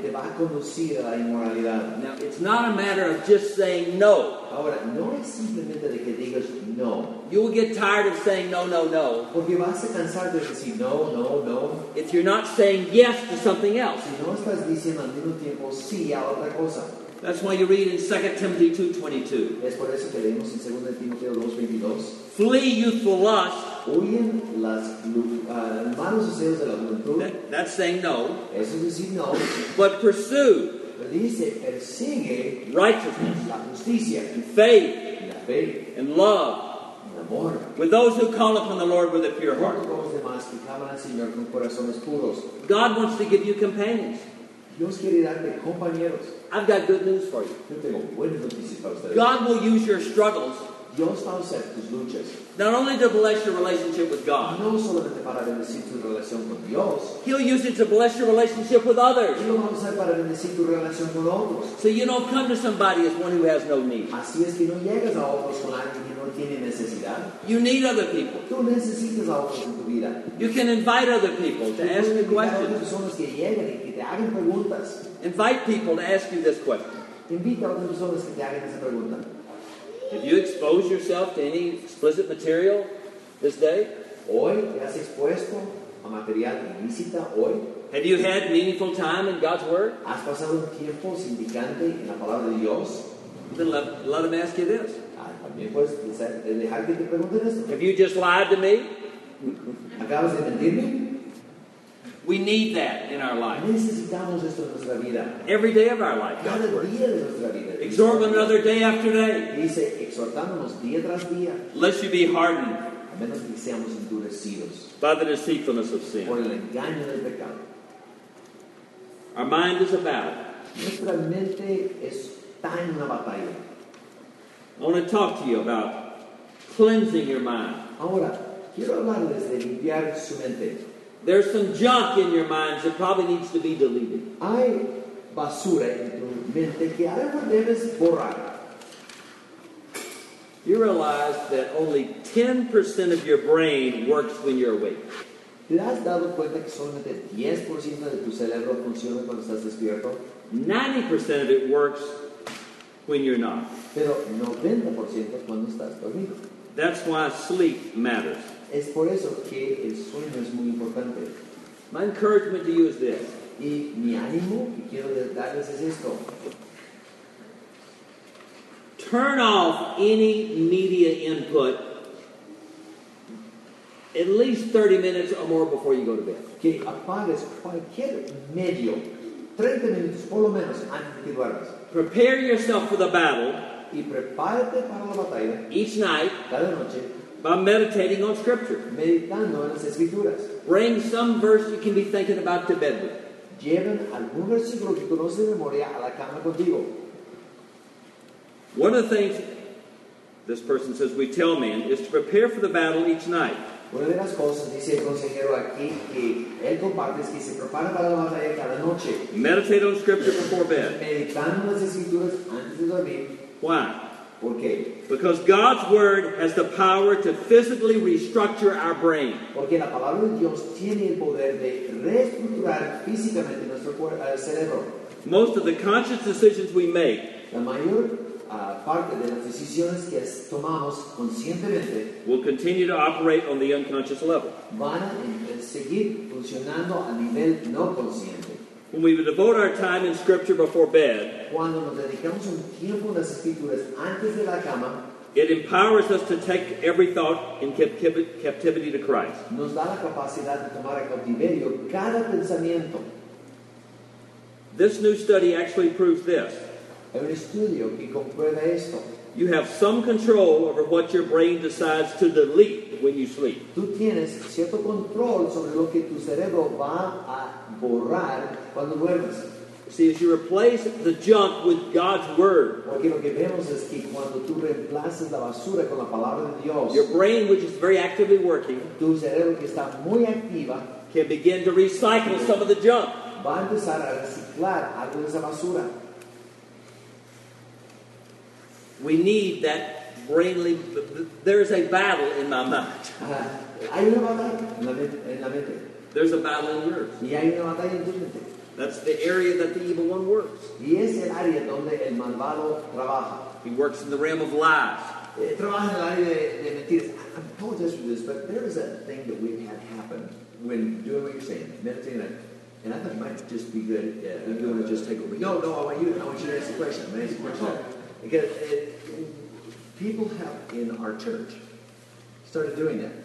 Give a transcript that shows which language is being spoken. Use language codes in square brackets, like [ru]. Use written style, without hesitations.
[es] Que te va a conducir a la inmoralidad. [en] Now, it's not a matter of just saying no. [es] Ahora, no es simplemente de que digas no. [en] You will get tired of saying no, no, no. [es] Porque vas a cansar de decir no, no, no. [en] If you're not saying yes to something else. [es] Si no estás diciendo al mismo tiempo sí a otra cosa. [en] That's why you read in 2 Timothy 2:22. [es] Es por eso que leemos en 2 Timoteo 2:22. [en] Flee youthful lust. [es] Huyen las malos deseos de la juventud. [en] That's saying no. [es] Eso es decir no. [en] But pursue. [es] Pero dice, persigue. [en] Righteousness. [es] La justicia. [en] And faith. [es] La fe. [en] And love. [es] El amor. [en] With those who call upon the Lord with a pure heart. [es] Con los demás que claman al Señor con corazones puros. [en] God wants to give you companions. [es] Dios quiere darte compañeros. [en] I've got good news for you. [es] Yo tengo buenas noticias para ustedes. [en] God will use your struggles. [es] Dios va a usar tus luchas. [en] Not only to bless your relationship with God. [es] No solamente para bendecir tu relación con Dios. [en] He'll use it to bless your relationship with others. [es] Él lo va a usar para bendecir tu relación con otros. [en] So you don't come to somebody as one who has no need. [es] Así es que no llegas a otros con alguien que no tiene necesidad. [en] You need other people. [es] Tú necesitas a otros en tu vida. [en] You can invite other people to ask the questions. [es] Tú puedes invitar a otras personas que lleguen y que te hagan preguntas. [en] Invite people to ask you this question. [es] Invita a otras personas que te hagan esa pregunta. [en] Have you exposed yourself to any explicit material this day? [es] Hoy, ¿te has expuesto a material ilícita hoy? [en] Have you had meaningful time in God's Word? [es] ¿Has pasado un tiempo significante en la Palabra de Dios? [en] Then let them ask you this. [es] ¿También puedes dejar que te pregunten esto? [en] Have you just lied to me? [es] ¿Acabas de mentirme? [en] We need that in our life. [es] Necesitamos esto en nuestra vida. [en] Every day of our life. [es] Cada día de nuestra vida. [en] Exhort one another day after day. [es] Dice, exhortándonos día tras día. [en] Lest you be hardened. [es] A menos que seamos endurecidos. [en] By the deceitfulness of sin. [es] Por el engaño del pecado. [en] Our mind is a battle. [es] Nuestra mente está en una batalla. [en] I want to talk to you about cleansing your mind. [es] Ahora, quiero hablarles de limpiar su mente. [en] There's some junk in your minds that probably needs to be deleted. [es] Hay basura en tu mente que algo debes borrar. [en] You realize that only 10% of your brain works when you're awake. [es] ¿Te has dado cuenta que solamente 10% de tu cerebro funciona cuando estás despierto? [en] 90% of it works when you're not. [es] Pero 90% cuando estás dormido. [en] That's why sleep matters. [es] Es por eso que el sueño es muy importante. [en] My encouragement to you is this. [es] Y mi ánimo que quiero darles es esto. [en] Turn off any media input at least 30 minutes or more before you go to bed. [es] Que apagues cualquier medio, 30 minutos por lo menos antes de que duermas. [en] Prepare yourself for the battle. [es] Y prepárate para la batalla. [en] Each night. [es] Cada noche. [en] By meditating on Scripture. [es] Meditando en las Escrituras. [en] Bring some verse you can be thinking about to bed with. [es] Lleven algún versículo que conoces de memoria a la cama contigo. [en] One of the things this person says we tell men is to prepare for the battle each night. [es] Una de las cosas dice el consejero aquí que él comparte es que se prepara para la batalla cada noche. [en] Meditate on Scripture before bed. [es] Meditando en las Escrituras antes de dormir. [en] Why? [es] Porque, [en] because God's word has the power to physically restructure our brain. [es] Porque la palabra de Dios tiene el poder de reestructurar físicamente nuestro cerebro. [en] Most of the conscious decisions we make, [es] la mayor parte de las decisiones que tomamos conscientemente [en] will continue to operate on the unconscious level. [es] Van a seguir funcionando a nivel no consciente. [en] When we devote our time in scripture before bed, [es] cuando nos dedicamos un tiempo en las escrituras antes de la cama, [en] it empowers us to take every thought in captivity to Christ. [es] Nos da la capacidad de tomar a cautiverio cada pensamiento. [en] This new study actually proves this. [es] Hay un estudio que comprueba esto. [en] You have some control over what your brain decides to delete when you sleep. [es] Tú tienes cierto control sobre lo que tu cerebro va a borrar cuando duermes. [en] See, as you replace the junk with God's Word, [es] porque lo que vemos es que cuando tú reemplazas la basura con la palabra de Dios, [en] your brain, which is very actively working, [es] tu cerebro que está muy activa, [en] can begin to recycle some of the junk. [es] Va a empezar a reciclar algo de esa basura. [en] We need that brainly. There is a battle in my mind. [es] Hay una batalla en la mente. [en] There's a battle in yours. [es] Y hay una batalla en tu mente. [en] That's the area that the evil one works. [es] Y es el área donde el malvado trabaja. [en] He works in the realm of lies. [es] Trabaja en el área de mentiras. [en] I apologize for this, but there is a thing that we've had happen when doing what you're saying, meditating on it. And I thought it might just be good if you want to just take over. No, I want you to ask a question. I'm going to ask a question. Oh. Because people have, in our church, started doing that.